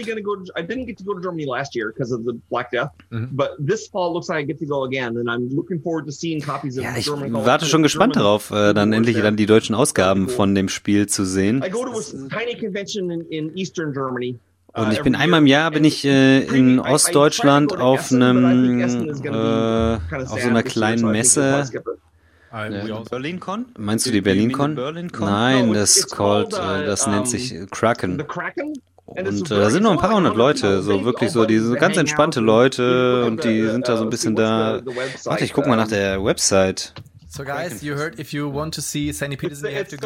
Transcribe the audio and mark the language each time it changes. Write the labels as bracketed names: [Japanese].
[English] I didn't get to go to Germany last year because of the Black Death, but this fall looks like I get to go again and I'm looking forward to seeing copies of German. [German] Ich warte schon gespannt darauf, dann endlich dann die deutschen Ausgaben von dem Spiel zu sehen. [English] I go to a tiny convention in Eastern Germany. [German] Und ich bin einmal im Jahr bin ich in Ostdeutschland auf einem auf so einer kleinen Messe. BerlinCon? Meinst du die BerlinCon? Nein, das called das nennt sich Kraken. Und da sind nur ein paar hundert Leute, so wirklich so diese ganz entspannte Leute und die sind da so ein bisschen da. Warte, ich guck mal nach der Website. [English] So guys, you heard if you want to see Sandy Peterson, you have to go.